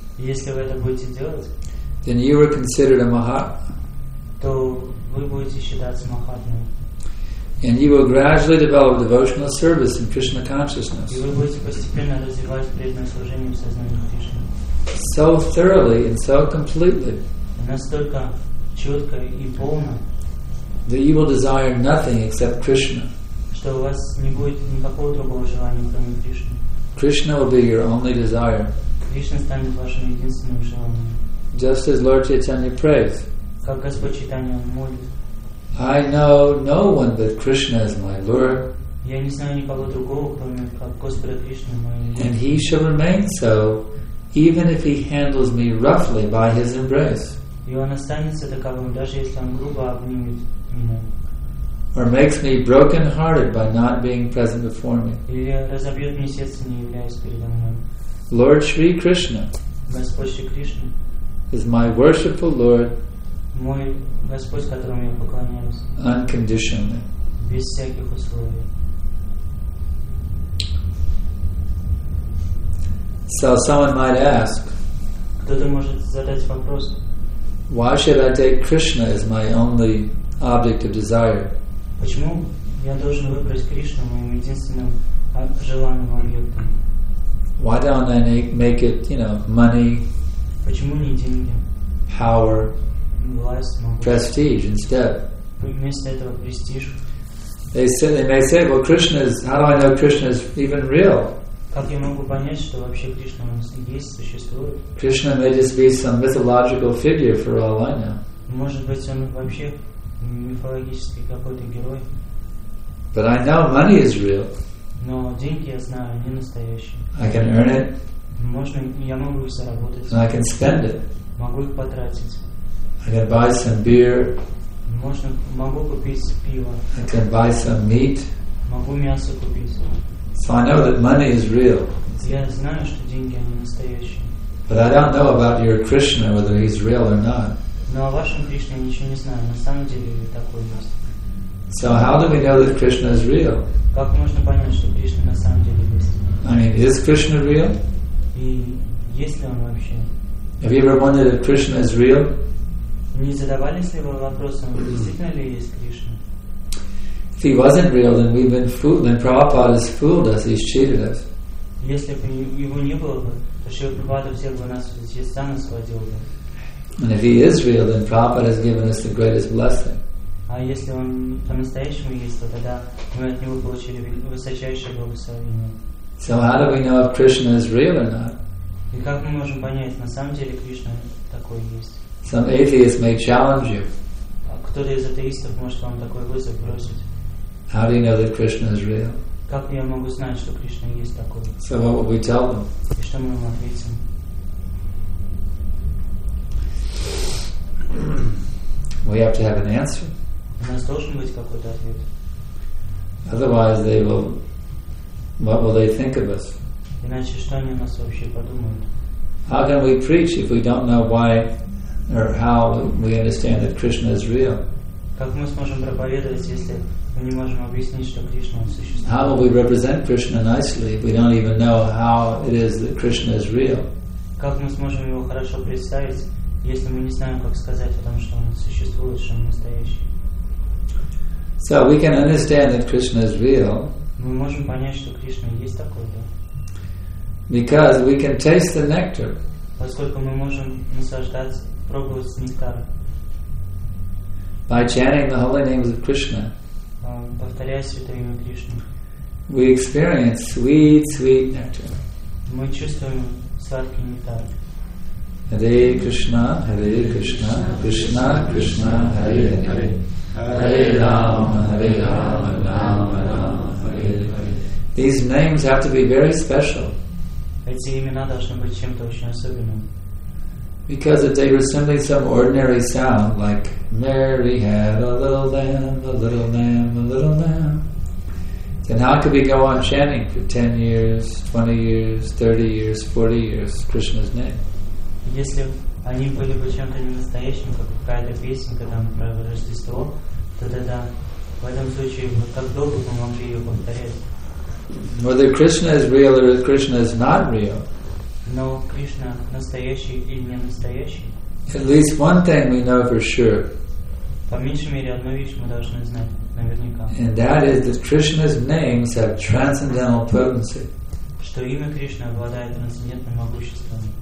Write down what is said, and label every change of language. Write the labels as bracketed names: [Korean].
[Russian] Если вы это будете делать, [English] then you are considered a Mahat. [Russian] То вы будете считаться Махатмой. [English] And you will gradually develop devotional service in Krishna consciousness. [Russian] И вы будете постепенно развивать преданное служение в сознании Кришны. [English] So thoroughly and so completely. [Russian] Настолько четко и полно. [English] That you will desire nothing except Krishna. [Russian] Что у вас не будет никакого другого желания, кроме Кришны. [English] Krishna will be your only desire. [Russian] Кришна станет вашим единственным желанием. [English] Just as Lord Chaitanya prays. [Russian] Как Господь Чайтанья молит. [English] I know no one but Krishna as my Lord. [Russian] Я не знаю никого другого, кроме как Господа Кришны моего. [English] And he shall remain so, even if he handles me roughly by his embrace. [Russian] И он останется таковым, даже если он грубо обнимет меня. [English] Or makes me broken-hearted by not being present before me. [Russian] Или разобьет мне сердце, не являясь передо мной. [English] Lord Shri Krishna. [Russian] Господь Шри Кришна. [English] Is my worshipful Lord, [Russian] мой Господь, которому я поклоняюсь, [English] unconditionally, [Russian] без всяких условий. [English] So someone might ask, [Russian] кто-то может задать вопрос, [English] why should I take Krishna as my only object of desire? [Russian] Почему я должен выбрать Кришну моим единственным желанным объектом? [English] Why don't I make it, you know, money? [Russian] Почему не деньги? [English] Power, [Russian] власть, могу. [English] Prestige instead. [Russian] Вместо этого престиж. [English] They may say, well, Krishna is. How do I know Krishna is even real? [Russian] Как я могу понять, что вообще Кришна есть, существует? [English] Krishna may just be some mythological figure for all I know. [Russian] Может быть, он вообще мифологический какой-то герой. [English] But I know money is real. [Russian] Но деньги я знаю, они настоящие. [English] I can earn it. [Russian] Можно, я могу их заработать. [English] And I can spend it. [Russian] Могу их потратить. [English] I can buy some beer. [Russian] Можно, могу купить пиво. [English] I can buy some meat. [Russian] Могу мясо купить. [English] So I know that money is real. [Russian] Я знаю, что деньги они настоящие. [English] But I don't know about your Krishna, whether he's real or not. [Russian] Но о вашем Кришне я ничего не знаю. На самом деле ли такой у нас? [English] So how do we know that Krishna is real? [Russian] Как можно понять, что Кришна на самом деле есть? [English] I mean, is Krishna real? [Russian] И есть ли он вообще? [English] Have you ever wondered if Krishna is real? [Russian] Не задавались ли вы вопросом, действительно ли есть Кришна? [English] If he wasn't real, then we've been fooled. Then Prabhupada has fooled us. He's cheated us. [Russian] Если бы его не было бы, то Шрила Прабхупада всех бы нас сам освободил бы. [English] And if he is real, then Prabhupada has given us the greatest blessing. [Russian] А если он по-настоящему есть, то тогда мы от него получили высочайшее благословение. [English] So how do we know if Krishna is real or not? [Russian] И как мы можем понять, на самом деле Кришна такой есть? [English] Some atheists may challenge you. [Russian] А кто-то из атеистов может вам такой вызов бросить. [English] How do you know that Krishna is real? [Russian] Как я могу знать, что Кришна есть такой? [English] So what would we tell them? [Russian] И что мы им ответим? [English] We have to have an answer. [Russian] У нас должен быть какой-то ответ. [English] Otherwise, they will. What will they think of us? [Russian] Иначе что они о нас вообще подумают? [English] How can we preach if we don't know why or how we understand that Krishna is real? [Russian] Как мы сможем проповедовать, если мы не можем объяснить, что Кришна существует? [English] How will we represent Krishna nicely if we don't even know how it is that Krishna is real? [Russian] Как мы сможем его хорошо представить, если мы не знаем, как сказать о том, что он существует, что он настоящий? [English] So we can understand that Krishna is real. [Russian] Мы можем понять, что Кришна есть такой, да? [English] Because we can taste the nectar. [Russian] Поскольку мы можем наслаждаться, пробовать нектар. [English] By chanting the holy names of Krishna. [Russian] Повторяя святое имя Кришны. [English] We experience sweet, sweet nectar. [Russian] Мы чувствуем сладкий нектар. [Sanskrit] Hare Krishna, Krishna, Krishna, Hare Hare. Hare Rama, Hare Rama, Rama Rama, Hare Hare. [English] These names have to be very special. [Russian] Эти имена должны быть чем-то очень особенным. [English] Because if they were simply some ordinary sound, like Mary had a little lamb, a little lamb, a little lamb, then how could we go on chanting for 10 years, 20 years, 30 years, 40 years Krishna's name? [Russian] Если они были бы чем-то ненастоящим, как какая-то песенка там про Рождество, то тогда в этом случае вот как долго мы могли ее повторять? [English] Whether Krishna is real or Krishna is not real. [Russian] Но Кришна настоящий или не настоящий? [English] At least one thing we know for sure. [Russian] По меньшей мере одну вещь мы должны знать наверняка. [English] And that is that Krishna's names have transcendental potency. [Russian] Что имя Кришны обладает трансцендентным могуществом.